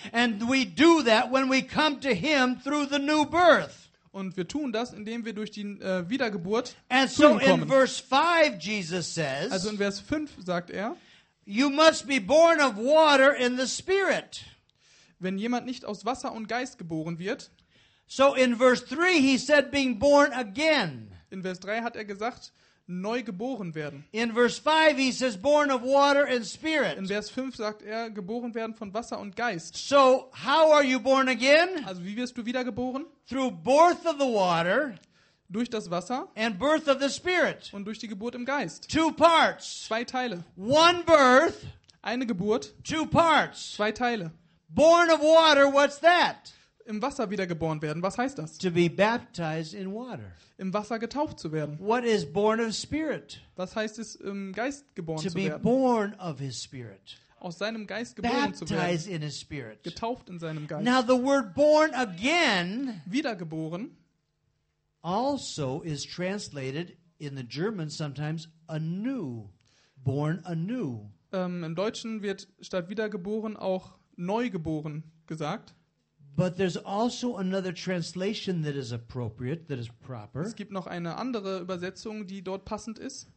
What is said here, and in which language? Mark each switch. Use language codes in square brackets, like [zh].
[en] And we do that when we come to him through the new birth. [de] Und wir tun das, indem wir durch die Wiedergeburt [en] And so in verse 5 Jesus says, [de] also in Vers 5 sagt er, [en] you must be born of water in the spirit. [de] Wenn jemand nicht aus Wasser und Geist geboren wird. [en] So in verse 3 he said being born again. [de] In Vers 3 hat er gesagt, neu geboren werden. [en] In verse 5 he says born of water and spirit. [de] In Vers 5 sagt er geboren werden von Wasser und Geist. [en] So how are you born again? [de] Also wie wirst du wiedergeboren? [en] Through birth of the water, [de] durch das Wasser, [en] and birth of the spirit, [de] und durch die Geburt im Geist. [en] Two parts, [de] zwei Teile. [en] One birth, [de] eine Geburt. [en] Two parts, [de] zwei Teile. [en] Born of water, what's that? [de] Im Wasser wiedergeboren werden, was heißt das? [en] To be baptized in water. [de] Im Wasser getauft zu werden. [en] What is born of spirit? [de] Was heißt es, im Geist geboren [en] to [de] zu werden? [en] To be born of his spirit. [de] Aus seinem Geist geboren zu werden. [en] Baptized in his spirit. [de] Getauft in seinem Geist. [en] Now the word born again, [de] wiedergeboren, [en] also is translated in the German sometimes anew, born anew. [de] Im Deutschen wird statt wiedergeboren auch neugeboren gesagt. [en] But there's also another translation that is appropriate, that is proper. [de] Es gibt noch eine andere Übersetzung, die dort passend ist.